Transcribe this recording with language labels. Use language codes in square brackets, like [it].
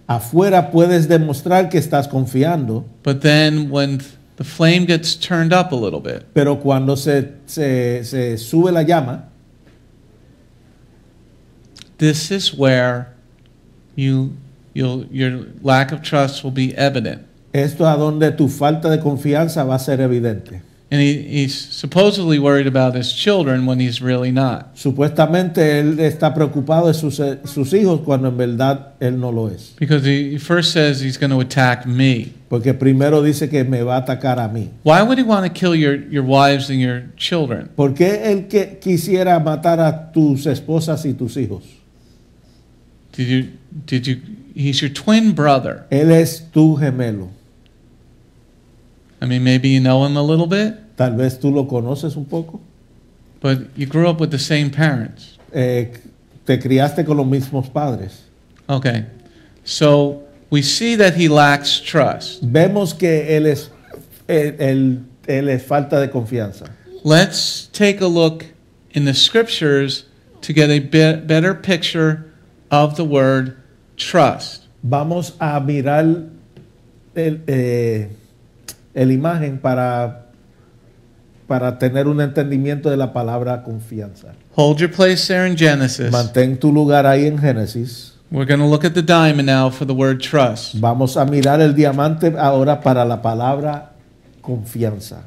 [es] Afuera puedes demostrar que estás confiando. [en] But then when the flame gets turned up a little bit. [es] Pero cuando se sube la llama. [en] This is where your lack of trust will be evident. [es] Esto a donde tu falta de confianza va a ser evidente. [en] And he's supposedly worried about his children when he's really not. [es] Supuestamente él está preocupado de sus hijos cuando en verdad él no lo es. [en] Because he first says he's going to attack me. [es] Porque primero dice que me va a atacar a mí. [en] Why would he want to kill your wives and your children? [es] ¿Por qué él quisiera matar a tus esposas y tus hijos? [en] Did you? He's your twin brother. [es] Él es tu gemelo. [en] I mean, maybe you know him a little bit. [es] Tal vez tú lo conoces un poco. [en] But you grew up with the same parents. [es] Te criaste con los mismos padres. [en] Okay. So we see that he lacks trust. [es] Vemos que él es falta de confianza. [en] Let's take a look in the scriptures to get a better picture of the word trust. [es] Vamos a mirar el imagen para tener un entendimiento de la palabra confianza. [en] Hold your place there in Genesis. [es] Mantén tu lugar ahí en Génesis. [en] We're going to look at the diamond now for the word trust. [es] Vamos a mirar el diamante ahora para la palabra confianza.